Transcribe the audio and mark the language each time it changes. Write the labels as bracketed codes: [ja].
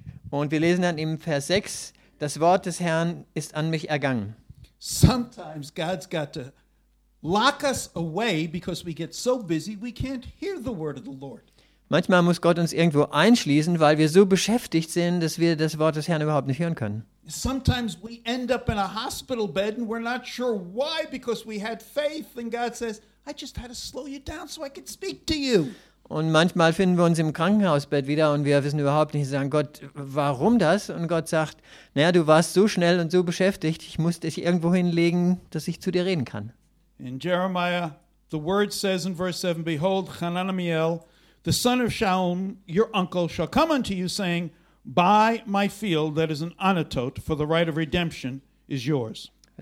[de] Und wir lesen dann im Vers 6, das Wort des Herrn ist an mich ergangen. [en] Sometimes God's got to lock us away because we get so busy we can't hear the word of the Lord. [de] Manchmal muss Gott uns irgendwo einschließen, weil wir so beschäftigt sind, dass wir das Wort des Herrn überhaupt nicht hören können. [en] Sometimes we end up in a hospital bed and we're not sure why because we had faith and God says, I just had to slow you down so I could speak to you. [de] Und manchmal finden wir uns im Krankenhausbett wieder und wir wissen überhaupt nicht, sagen Gott, warum das? Und Gott sagt, naja, du warst so schnell und so beschäftigt, ich musste dich irgendwo hinlegen, dass ich zu dir reden kann. [en] In Jeremiah, the word says in verse 7, behold, Hananiel, the son of Shalom, your uncle, shall come unto you, saying, buy my field that is an Anatot, for the right of redemption is yours.